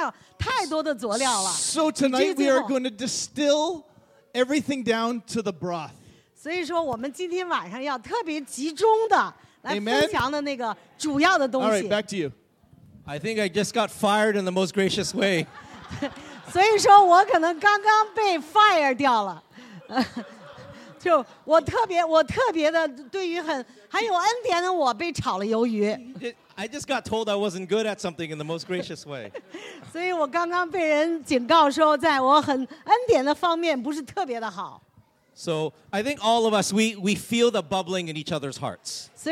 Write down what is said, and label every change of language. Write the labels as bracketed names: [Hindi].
[Chinese] 所以说可能在我们炖汤的时候，有时候加上太多的佐料了。 [English] So tonight we are going to distill everything down to the broth. [Chinese] 所以说我们今天晚上要特别集中的来分享的那个主要的东西。 [English] All right, back to you. I think I just got fired in the most gracious way. [Chinese] 所以说我可能刚刚被 fire 掉了，就我特别的对于很有恩典的我被炒了鱿鱼。 [English] I just got told I wasn't good at something in the most gracious way. [Chinese] 所以我刚刚被人警告说，在我很恩典的方面不是特别的好。 [English] So I think all of us we feel the bubbling in each other's hearts.